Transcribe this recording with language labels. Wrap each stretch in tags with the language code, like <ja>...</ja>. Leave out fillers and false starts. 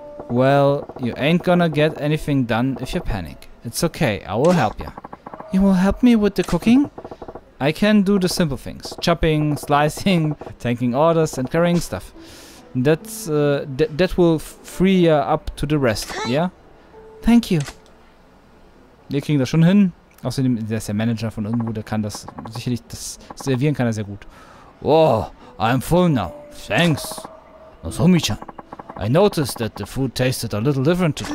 <en>Well, you ain't gonna get anything done if you panic. It's okay, I will help you. You will help me with the cooking? I can do the simple things. Chopping, slicing, taking orders and carrying stuff. That will free you up to the rest, yeah? Thank you.</en> <de>Wir kriegen das schon hin. Außerdem, der ist ja Manager von irgendwo, der kann das sicherlich, das servieren kann er sehr gut.</de> <en>Oh, I'm full now. Thanks. Nozomi-chan, I noticed that the food tasted a little different today.</en>